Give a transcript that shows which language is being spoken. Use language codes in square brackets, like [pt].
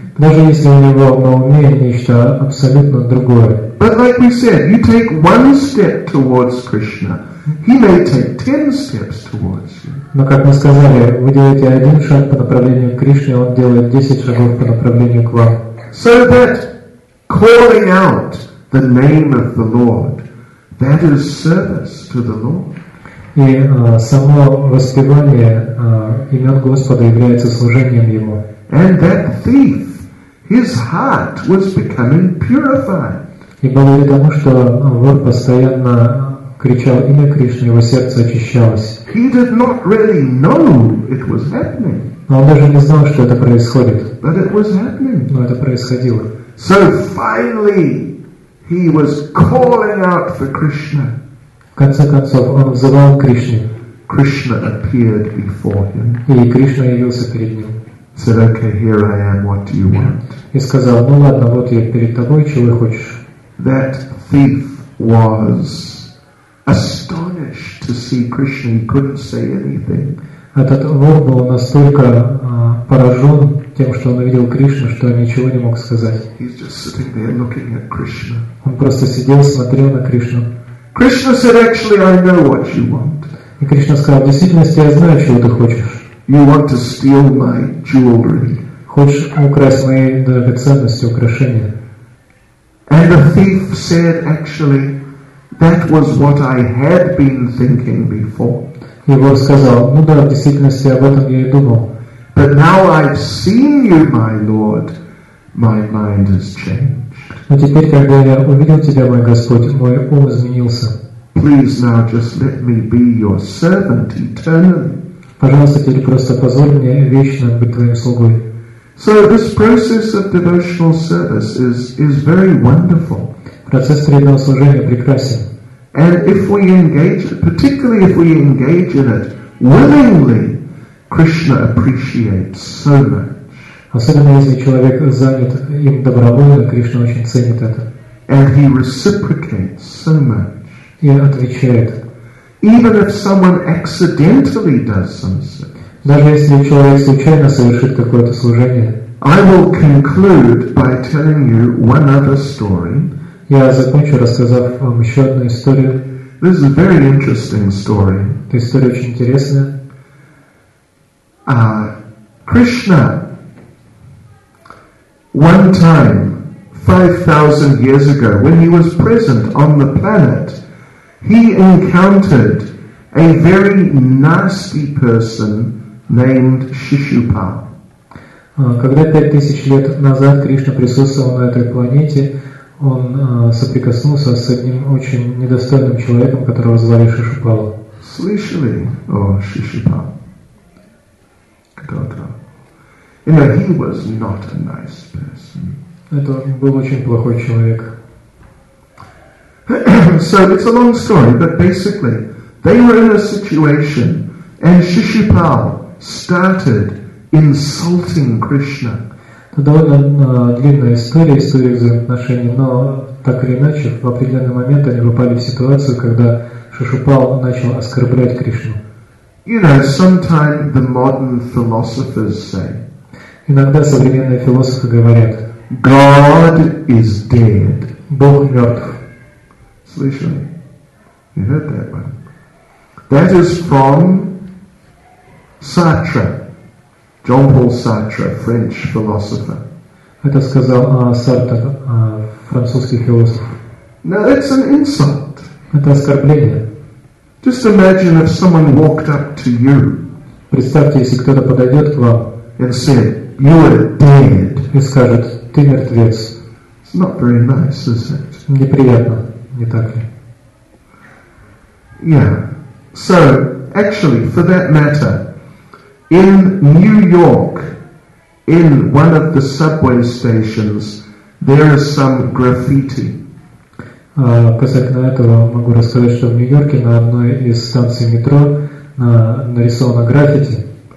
[ru] Даже если у него на уме нечто абсолютно другое. [en] But like we said, you take one step towards Krishna, he may take 10 steps towards you. [ru] Но как мы сказали, вы делаете один шаг по направлению к Кришне, он делает 10 шагов по направлению к вам. [en] So that calling out the name of the Lord, that is service to the Lord. [ru] И само воспевание имен Господа является служением Ему. [en] And that thief, his heart was becoming purified. [ru] И благодаря тому, что вор постоянно кричал имя Кришны, его сердце очищалось. [en] He did not really know it was happening. [ru] Но он даже не знал, что это происходит. [en] But it was happening. [ru] Но это происходило. [en] So finally, he was calling out for Krishna. [ru] В конце концов, он взывал Кришне. [en] Krishna appeared before him. [ru] И Кришна явился перед ним. [en] Said, "Okay, here I am. What do you want?" [ru] И сказал: "Ну ладно, вот я перед тобой, чего хочешь?" [en] That thief was astonished to see Krishna. He couldn't say anything. [ru] Этот вор был настолько поражен тем, что он увидел Кришну, что он ничего не мог сказать. [en] He's just sitting there looking at Krishna. [ru] Он просто сидел, смотрел на Кришну. [en] Krishna said, actually, I know what you want. [ru] И Кришна сказал, в действительности я знаю, чего ты хочешь. [en] You want to steal my jewelry. [ru] Хочешь украсть мои драгоценности, украшения. [en] And the thief said, actually, that was what I had been thinking before. [ru] И вор сказал, ну да, в действительности об этом я и думал. [en] But now I've seen you, my Lord, my mind has changed. [ru] Но теперь, когда я увидел тебя, мой Господь, мой ум изменился. [en] Please now just let me be your servant eternally. [ru] Пожалуйста, теперь просто позволь мне вечно быть твоим слугой. [en] So this process of devotional service is very wonderful. [ru] Процесс преданного служения прекрасен. [en] And if we engage, particularly if we engage in it willingly, Krishna appreciates so much. [ru] Особенно если человек занят им добровольно, Кришна очень ценит это. [en] And he reciprocates so much. [ru] И отвечает. [en] Even if someone accidentally does something. [ru] Даже если человек случайно совершит какое-то служение. [en] I will conclude by telling you one other story. [ru] Я закончу, рассказав вам еще одну историю. [en] This is a very interesting story. [ru] Эта история очень интересная. [en] Krishna. One time, 5,000 years ago, when he was present on the planet, he encountered a very nasty person named Shishupal. [ru] Когда 5000 лет назад Кришна присутствовал на этой планете, он соприкоснулся с одним очень недостойным человеком, которого звали Шишупал. Слышали о Шишупал? Да-да. [en] You know, he was not a nice person. [ru] Это был очень плохой человек. [en] So it's a long story, but basically, they were in a situation, and Shishupal started insulting Krishna. [ru] Это довольно длинная история, история взаимоотношений, но так или иначе, в определенный момент они попали в ситуацию, когда Шишупал начал оскорблять Кришну. [en] You know, sometimes the modern philosophers say. [ru] Иногда современные философы говорят, [en] God is dead. [ru] Бог мертв. Слышали? [en] You heard that one? That is from Sartre. Jean-Paul Sartre, French philosopher. [ru] Это сказал Сартр, французский философ. [en] Now it's an insult. [ru] Это оскорбление. [en] Just imagine if someone walked up to you. [ru] Представьте, если кто-то подойдет к вам [en] and said, you are dead. [ru] И скажет, ты мертвец. [en] It's not very nice, is it? [ru] Неприятно, не так ли? [en] Yeah. So, actually, for that matter, in New York, in one of the subway stations, there is some graffiti. [ru] Касательно этого, могу рассказать, что в Нью-Йорке на одной из станций метро нарисовано граффити.